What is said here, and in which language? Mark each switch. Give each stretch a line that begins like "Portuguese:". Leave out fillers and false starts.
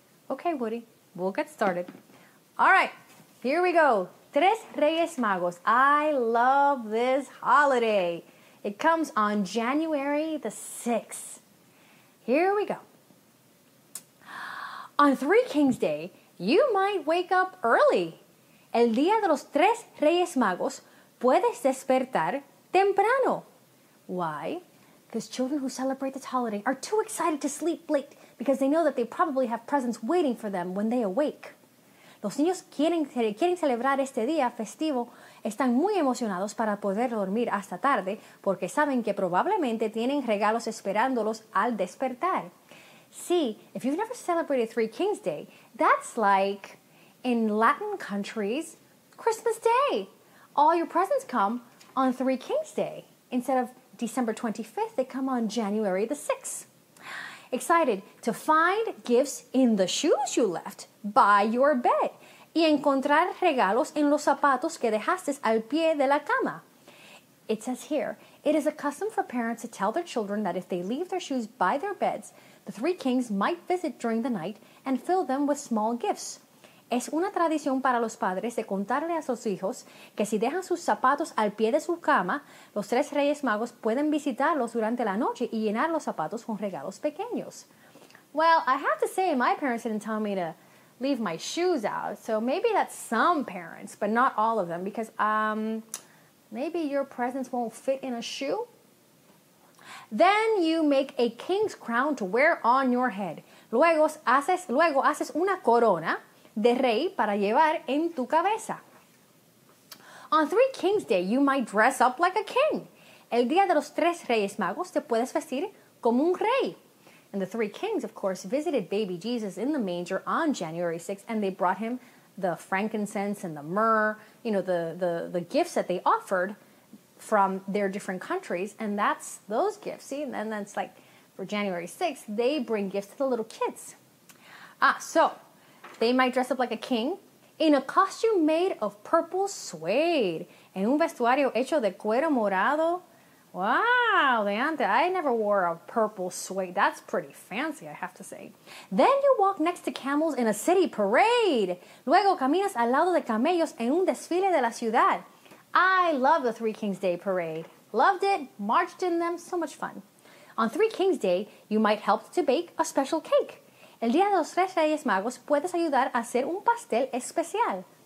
English: Okay, Woody, we'll get started. All right, here we go. Tres Reyes Magos. I love this holiday. It comes on January the 6th. Here we go. On Three Kings Day, you might wake up early.
Spanish: El día de los tres reyes magos, puedes despertar temprano.
English: Why? Because children who celebrate this holiday are too excited to sleep late because they know that they probably have presents waiting for them when they awake.
Spanish: Los niños quieren celebrar este día festivo. Están muy emocionados para poder dormir hasta tarde porque saben que probablemente tienen regalos esperándolos al despertar.
English: See, if you've never celebrated Three Kings Day, that's like, in Latin countries, Christmas Day. All your presents come on Three Kings Day. Instead of December 25th, they come on January the 6th. Excited to find gifts in the shoes you left by your bed.
Spanish: Y encontrar regalos en los zapatos que dejaste al pie de la cama.
English: It says here, it is a custom for parents to tell their children that if they leave their shoes by their beds, the three kings might visit during the night and fill them with small gifts.
Spanish: Es una tradición para los padres de contarle a sus hijos que si dejan sus zapatos al pie de su cama, los tres reyes magos pueden visitarlos durante la noche y llenar los zapatos con regalos pequeños.
English: Well, I have to say, my parents didn't tell me to leave my shoes out, so maybe that's some parents, but not all of them, because maybe your presents won't fit in a shoe? Then you make a king's crown to wear on your head.
Spanish: Luego haces una corona de rey para llevar en tu cabeza.
English: On Three Kings Day, you might dress up like a king.
Spanish: El día de los tres reyes magos, te puedes vestir como un rey.
English: And the three kings, of course, visited baby Jesus in the manger on January 6th, and they brought him the frankincense and the myrrh, you know, the gifts that they offered from their different countries, and that's those gifts. See, and then that's like for January 6th, they bring gifts to the little kids. So they might dress up like a king in a costume made of purple suede.
Spanish: En un vestuario hecho de cuero morado.
English: Wow, Leante, I never wore a purple suede. That's pretty fancy, I have to say. Then you walk next to camels in a city parade.
Spanish: Luego caminas al lado de camellos en un desfile de la ciudad.
English: I love the Three Kings Day parade. Loved it, marched in them, so much fun. On Three Kings Day, you might help to bake a special cake.
Spanish: El día de los tres reyes magos, puedes ayudar a hacer un pastel especial.